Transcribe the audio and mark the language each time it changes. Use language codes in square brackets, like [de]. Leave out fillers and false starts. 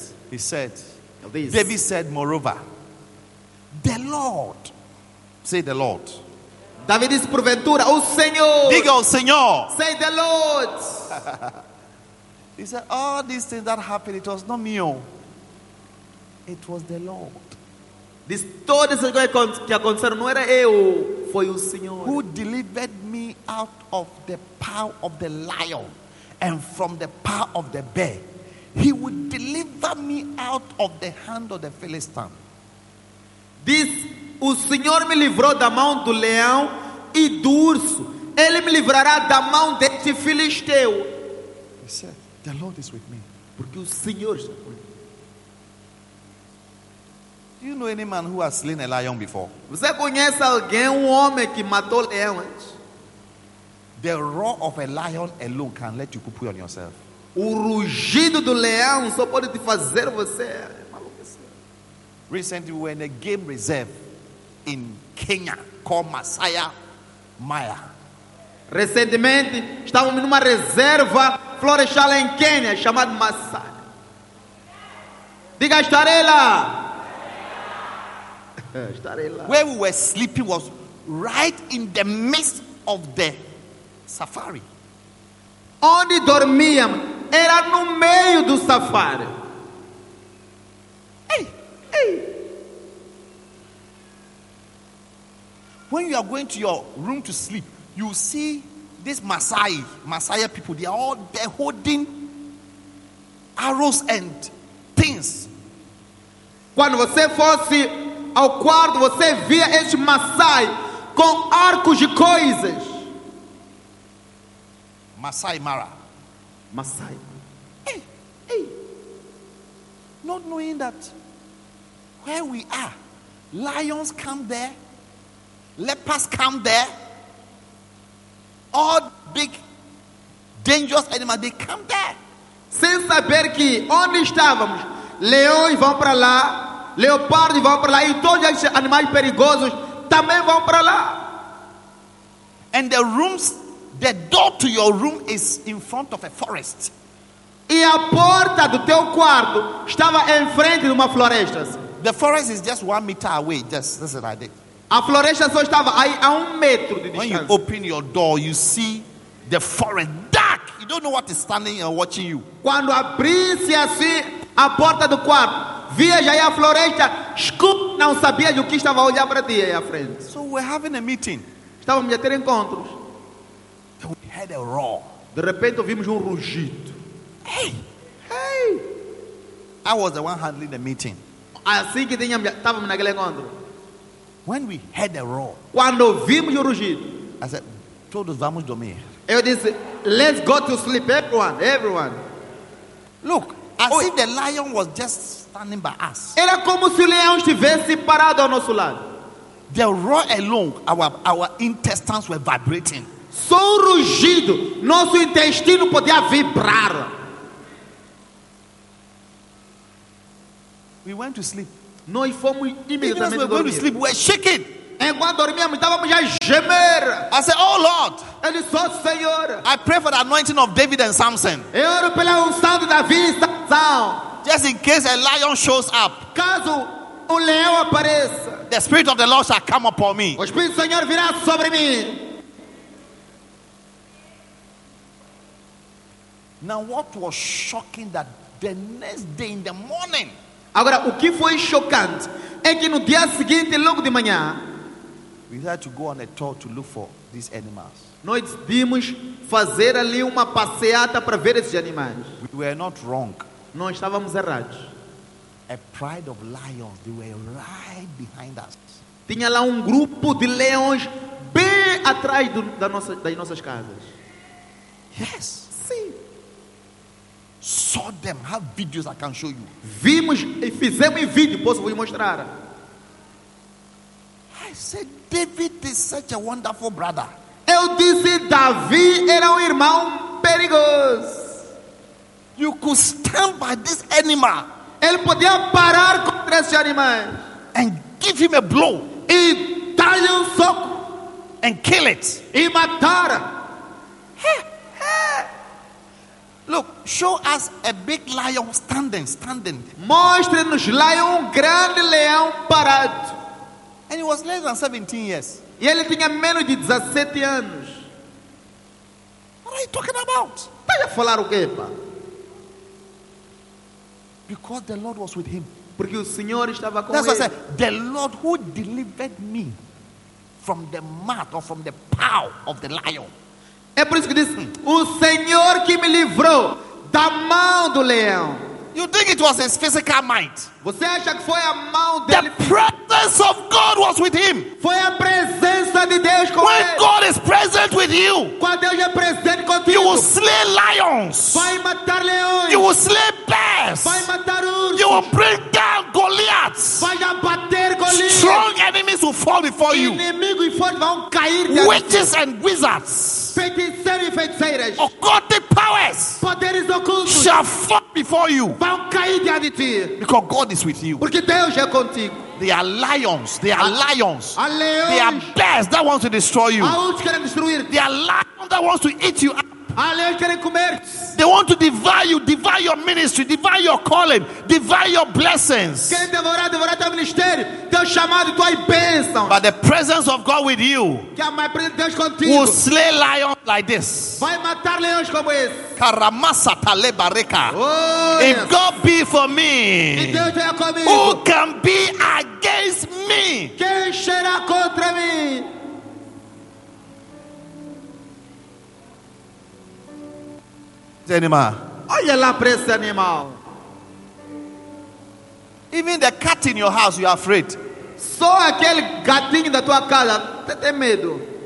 [en] He said, David said, moreover, the Lord, say the Lord. [pt] Davi disse, porventura, o Senhor. Diga o Senhor. [en] Say the Lord. He said, all these things that happened, it was not me. It was the Lord. [pt] This, todo esse negócio que aconteceu não era eu, foi o Senhor. [en] Who delivered me out of the power of the lion and from the power of the bear. He would deliver me out of the hand of the Philistine. [pt] This, o Senhor me livrou da mão do leão e do urso. Ele me livrará da mão deste filisteu. [en] He said, the Lord is with me. [pt] Porque o Senhor está comigo. [en] Do you know any man who has slain a lion before? [pt] Você conhece alguém, um homem que matou leão antes? [en] The roar of a lion alone can let you poo on yourself. [pt] O rugido do leão só pode te fazer você. [en] Recently we were in a game reserve. in Kenya called Masai Mara. [pt] Recentemente, estávamos em uma reserva florestal em Quênia, chamada Masai. Diga, estarei lá. Estarei lá. [en] Where we were sleeping was right in the midst of the safari. [pt] Onde dormíamos era no meio do safari. Ei, ei. [en] When you are going to your room to sleep, you see this Masai people, they are all there holding arrows and things. [pt] Quando você fosse ao quarto, você via esse Masai com arcos e coisas. Masai Mara. Masai. Hey, hey. [en] Not knowing that where we are, lions come there, lepers come there. All big, dangerous animals, they come there. [pt] Sem saber que onde estávamos, leões vão para lá, leopardos vão para lá, e todos esses animais perigosos também vão para lá. [en] And the rooms, the door to your room is in front of a forest. [pt] E a porta do teu quarto estava em frente de uma floresta. [en] The forest is just 1 meter away, just like that. [pt] A floresta só estava aí a 1 metro de distância. [en] When you open your door, you see the forest dark. You don't know what is standing and watching you. [pt] Quando abriu-se assim a porta do quarto, via já a floresta, escuta, não sabia de o que estava a olhar para ti aí à frente. [en] So we're having a meeting. [pt] Estávamos a ter encontros. [en] Then we heard a roar. [pt] De repente ouvimos rugido. Hey, hey! [en] I was the one handling the meeting. [pt] Assim que estávamos naquele encontro. [en] When we heard the roar, [pt] quando ouvimos o rugido, [en] I said, [pt] todos vamos dormir. Eu disse, [en] let's go to sleep, everyone. Look, as if the lion was just standing by us. [pt] Era como se o leão estivesse parado ao nosso lado. [en] The roar alone, our intestines were vibrating. [pt] Só o rugido, nosso intestino podia vibrar. [en] We went to sleep. [pt] Nós fomos imediatamente [en] going to sleep. We're shaking. [pt] Enquanto dormíamos, estávamos a gemer. [en] I said, oh Lord. [pt] Ele disse, oh Senhor. [en] I pray for the anointing of David and Samson. [pt] Eu oro pela unção de Davi e Samson. [en] Just in case a lion shows up. [pt] Caso o leão apareça. [en] The spirit of the Lord shall come upon me. [pt] O Espírito do Senhor virá sobre mim. [en] Now what was shocking that the next day in the morning. [pt] Agora, o que foi chocante é que no dia seguinte, logo de manhã, [en] we had to go on a tour to look for these animals. [pt] Nós decidimos fazer ali uma passeata para ver esses animais. [en] We were not wrong. [pt] Nós estávamos errados. [en] A pride of lions, they were right behind us. [pt] Tinha lá grupo de leões bem atrás das nossas casas. [en] Yes. [pt] Sim. [en] Saw them, have videos I can show you. [pt] Vimos e fizemos vídeo, posso vos mostrar. [en] I said, David is such a wonderful brother. [pt] Eu disse, Davi era irmão perigoso. [en] You could stand by this animal. [pt] Ele podia parar contra esse animal. [en] And give him a blow. [pt] E dar-lhe soco. [en] And kill it. [pt] E matar. [en] Look, show us a big lion standing. [pt] Mostre-nos um grande leão parado. [en] And he was less than 17 years. [pt] E ele tinha menos de 17 anos. [en] What are you talking about? [pt] Para falar o quê, pá? [en] Because the Lord was with him. [pt] Porque o Senhor estava com [en] That's [pt] ele. [en] That's what I said. The Lord who delivered me from the mouth or from the power of the lion. [pt] É por isso que diz, o Senhor que me livrou da mão do leão. [en] You think it was his physical might? [pt] Você acha que foi a mão dele? [en] The presence of God was with him. [pt] Foi a presença de Deus com [en] When [pt] ele. [en] When God is present with you, [pt] quando Deus é presente contigo, [en] you will slay lions. [pt] Vai matar leões. [en] You will slay bears. [pt] Vai matar ursos. [en] You will bring down Goliath. [pt] Vai abater Goliath. [en] Strong enemies will fall before you. [pt] Inimigos e fortes vão cair. [en] Witches and wizards. [pt] Feiticeiros e feiticeiras. [en] Occultic power. powers, [pt] poderes ocultos, [en] shall fall before you, [pt] vão cair diante de ti, [en] because God is with you. [pt] Porque Deus é contigo. [en] They are lions. They are lions. [pt] Leões. [en] They are bears that want to destroy you. [pt] Querem destruir. [en] They are lions that want to eat you up. [pt] Leões querem comer. [en] They want to devour you, devour your ministry, devour your calling, devour your blessings. [pt] Querem devorar, devorar teu ministério, teu chamado, tua bênção. [en] But the presence of God with you, [pt] que é [en] my presence, [pt] Deus contigo, [en] will slay lions like this. [pt] Vai matar leões como esse. Caramassa talebareka. Oh, [en] if yes. God be for me, [pt] Deus é comigo, [en] who can be against me? [pt] Quem será contra mim? [en] Animal. [pt] Olha lá para esse animal. [en] Even the cat in your house, you are afraid. [pt] Só aquele gatinho da tua casa tem medo.